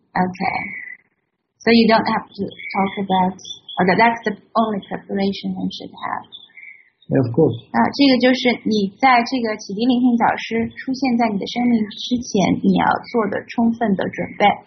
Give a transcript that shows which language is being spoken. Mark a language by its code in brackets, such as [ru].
[en] Okay. So you don't have to talk about, okay, that's the only preparation one should have. Yeah, of course. [zh] 这个就是你在这个启迪灵性导师出现在你的生命之前你要做的充分的准备。